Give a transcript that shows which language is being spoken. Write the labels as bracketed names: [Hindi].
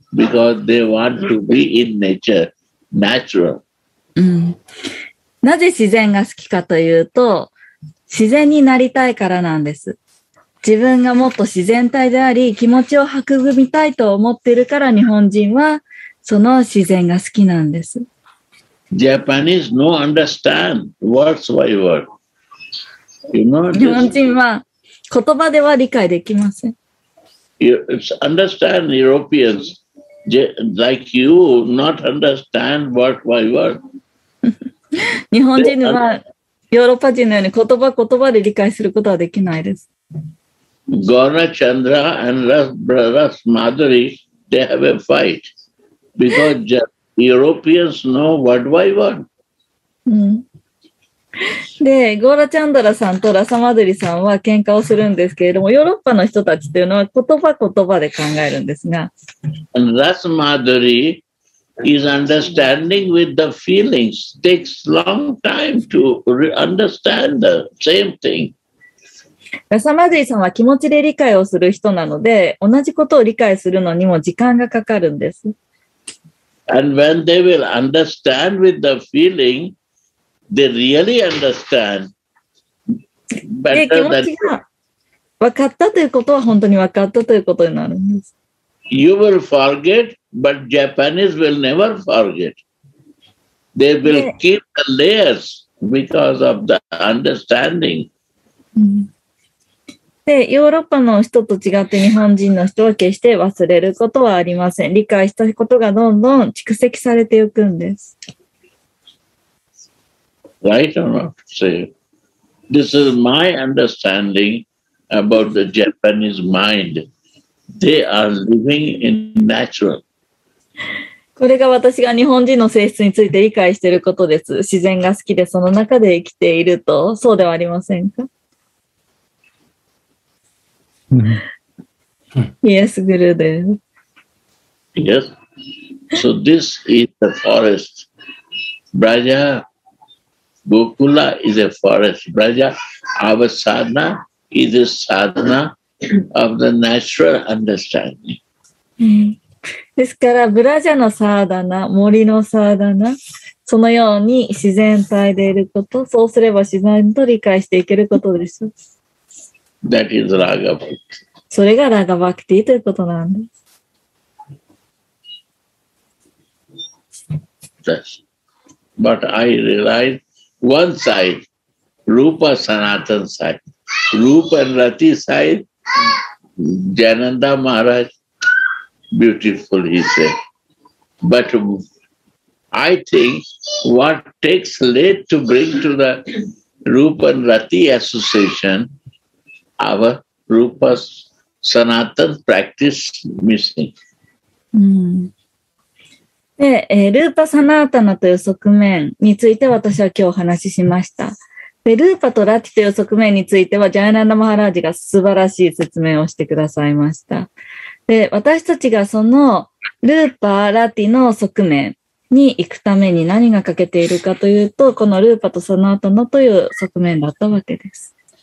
[English] Because they want to be in nature, natural. [Japanese] なぜ自然が好きかというと、自然になりたいからなんです。自分がもっと自然体であり、気持ちを育みたいと思っているから、日本人はその自然が好きなんです。 [English] Japanese no understand words by word. You know, [Japanese] 日本人は言葉では理解できません。 [English] You understand Europeans. Like you, not understand word by word. [Japanese] 日本人はヨーロッパ人のように言葉言葉で理解することはできないです。 [English] Gaura Chandra and Ras Madhuri, they have a fight because Europeans know what I want. [Japanese] で、ゴーラチャンドラさんとラサマドリさんは喧嘩をするんですけれども、ヨーロッパの人たちというのは言葉言葉で考えるんですが。 [English] And Rasmadhuri is understanding with the feelings. Takes long time to understand the same thing. [Japanese] ラサマドリさんは気持ちで理解をする人なので、同じことを理解するのにも時間がかかるんです。 [English] And when they will understand with the feeling,They really understand better than [Japanese] 気持ちが分かったということは本当に分かったということになるんです。 [English] You will forget, but Japanese will never forget. They will keep the layers because of the understanding. [Japanese] で、ヨーロッパの人と違って日本人の人は決して忘れることはありません。理解したことがどんどん蓄積されていくんです。 [English] Right or not? Say, this is my understanding about the Japanese mind. They are living in natural. [Japanese] これが私が日本人の性質について理解していることです。自然が好きでその中で生きていると、そうではありませんか？ [English] Yes, Guru Dev. Yes. So this is the forest. Braja,Gokula is a forest. Braja, our sadhana is a sadhana of the natural understanding. [Japanese] ですから、ブラジャのサーダナ、森のサーダナ、そのように自然体でいること、そうすれば自然と理解していけることです。 [English] That is Raga Bhakti. [Japanese] それがラガバクティということなんです。 [English] Yes. But I realize,One side, Rupa Sanatan side, Rupa and Rati side, Jananda Maharaj, beautiful, he said. But I think what takes late to bring to the Rupa and Rati association, our Rupa Sanatan practice missing. Mm. [Japanese] で、ルーパサナータナという側面について私は今日お話ししました。で、ルーパとラティという側面についてはジャイナンダマハラージが素晴らしい説明をしてくださいました。で、私たちがそのルーパ、ラティの側面に行くために何が欠けているかというと、このルーパとサナータナという側面だったわけです。